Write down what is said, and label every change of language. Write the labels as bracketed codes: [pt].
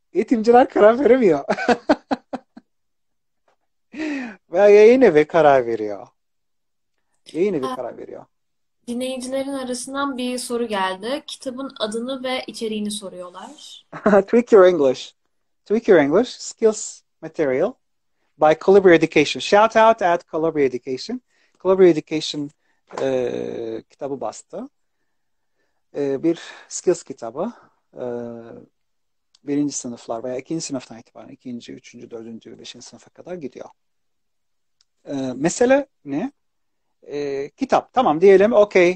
[tr] Eğitimciler karar veremiyor. Veya yayın evi karar veriyor. Yayın evi karar veriyor. Dinleyicilerin arasından bir soru geldi. Kitabın adını ve içeriğini soruyorlar. [en] Tweak your English. Tweak your English. Skills Material by Colibri Education. Shout out at Colibri Education. [tr] Colibri Education kitabı bastı. Bir skills kitabı. Birinci sınıflar veya ikinci sınıftan itibaren ikinci, üçüncü, dördüncü, beşinci sınıfa kadar gidiyor. Mesele ne? Kitap. Tamam diyelim. Okey.